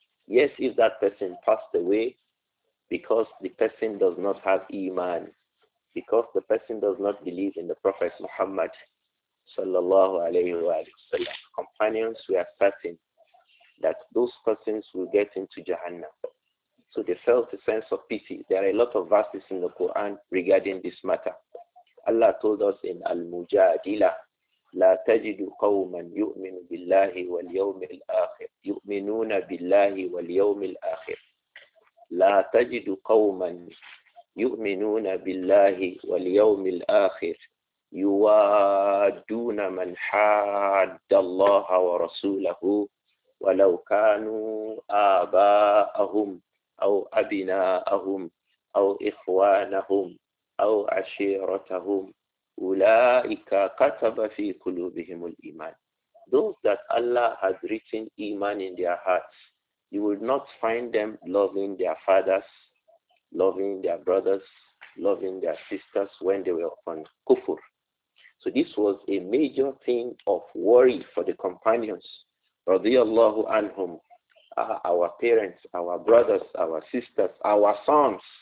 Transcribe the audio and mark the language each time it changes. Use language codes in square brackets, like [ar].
[en] Yes, if that person passed away because the person does not have iman, because the person does not believe in the Prophet Muhammad sallallahu alayhi wa sallam, companions were certain that those persons will get into Jahannam. So they felt a sense of pity. There are a lot of verses in the Quran regarding this matter. Allah told us in Al-Mujadila, [ar] لَا تَجِدُ قَوْمًا يُؤْمِنُ بِاللَّهِ وَالْيَوْمِ الْآخِرِ يُؤْمِنُونَ بِاللَّهِ وَالْيَوْمِ الْآخِرِ لَا تَجِدُ قَوْمًا يُؤْمِنُونَ بِاللَّهِ وَالْيَوْمِ الْآخِرِ يُوَادُّونَ مَنْ حَادَّ اللَّهَ وَرَسُولَهُ وَلَوْ كَانُوا آبَاءَهُمْ أَوْ أَبِنَاءَهُمْ أَوْ إِخْوَانَهُمْ أو عشيرتهم أولئك كتب في قلوبهم الإيمان. [en] Those that Allah has written iman in their hearts, you will not find them loving their fathers, loving their brothers, loving their sisters when they were on kufr. So this was a major thing of worry for the companions, radiyallahu anhum, our parents, our brothers, our sisters, our sons.